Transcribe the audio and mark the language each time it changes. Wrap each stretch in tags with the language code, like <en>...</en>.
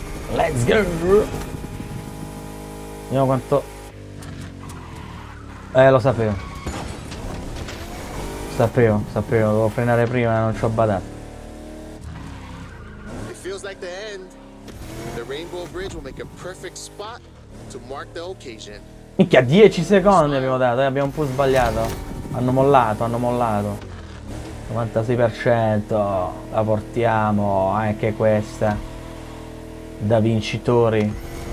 <en>Let's go!</en> <it>Vediamo quanto. Lo sapevo. Sapevo, dovevo frenare prima, non ci ho badato.</it> <en>Like the end, the Rainbow Bridge will make a perfect spot to mark the occasion.</en> <it>Minchia, 10 secondi abbiamo dato, abbiamo un po' sbagliato. Hanno mollato. 96%, la portiamo anche questa da vincitori.</it>